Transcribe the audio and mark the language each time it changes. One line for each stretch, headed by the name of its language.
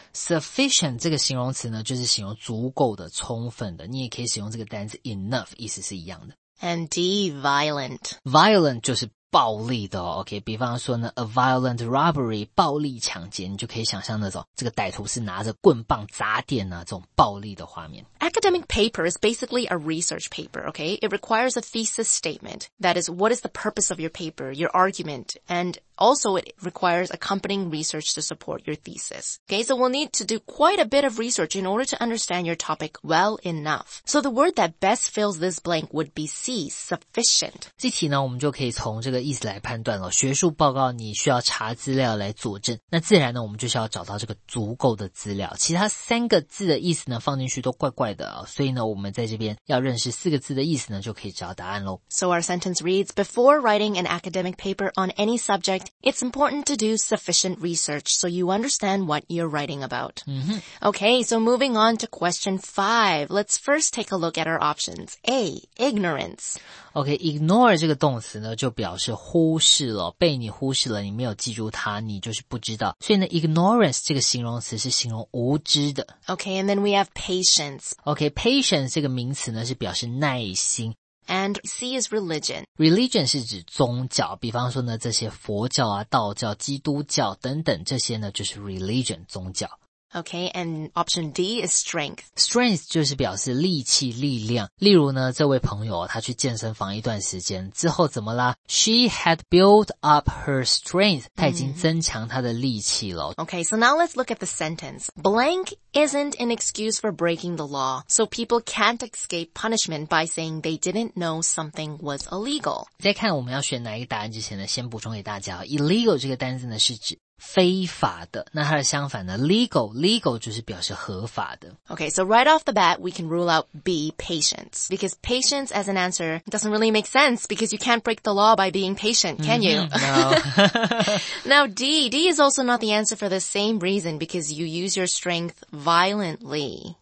Chinese: Sufficient 这个形容词呢，就是形容足够的、充分的。你也可以使用这个单词 enough， 意思是一样的。
English: And D, violent.
Chinese: Violent 就是暴力的哦 ,OK, 比方说呢 ,
English: a violent robbery,
Chinese: 暴力抢劫,你就可以想象那种这个歹徒是拿着棍棒砸店啊这种暴力的画面。
English: Academic paper is basically a research paper, okay? It requires a thesis statement. That is, what is the purpose of your paper, your argument, and also it requires accompanying research to support your thesis. Okay, so we'll need to do quite a bit of research in order to understand your topic well enough. So the word that best fills this blank would be C, sufficient.
Chinese: 这题呢，我们就可以从这个意思来判断了。学术报告你需要查资料来佐证，那自然呢，我们就是要找到这个足够的资料。其他三个字的意思呢，放进去都怪怪的。所以呢，我们在这边要认识四个字的意思呢，就可以找答案咯。
English: So our sentence reads, before writing an academic paper on any subject, it's important to do sufficient research so you understand what you're writing about. Okay, so moving on to question 5. Let's first take a look at our options. A, ignorance.
Chinese: Okay, ignore 这个动词呢，就表示忽视了，被你忽视了，你没有记住它，你就是不知道。所以呢 ,ignorance 这个形容词是形容无知的。
English: Okay, and then we have patience.
Chinese: Okay, patience 这个名词呢是表示耐心。
English: And C is religion.
Chinese: Religion 是指宗教，比方说呢这些佛教啊、道教、基督教等等这些呢就是 religion, 宗教。
English: Okay, and option D is strength.
Chinese: Strength 就是表示力气、力量。例如呢这位朋友他去健身房一段时间之后怎么啦 ?
English: She had built up her strength.
Chinese: 他已经增强他的力气了。
English: Okay, so now let's look at the sentence. Blank isn't an excuse for breaking the law, so people can't escape punishment by saying they didn't know something was illegal.
Chinese: 在看我们要选哪一个答案之前呢先补充给大家。Illegal 这个单字呢是指非法的，那它的相反呢 ？Legal 就是表示合法的。
English: Okay, so right off the bat, we can rule out B, patience, because patience as an answer doesn't really make sense because you can't break the law by being patient, can you? No. Now D is also not the answer for the same reason because you use your strength violently.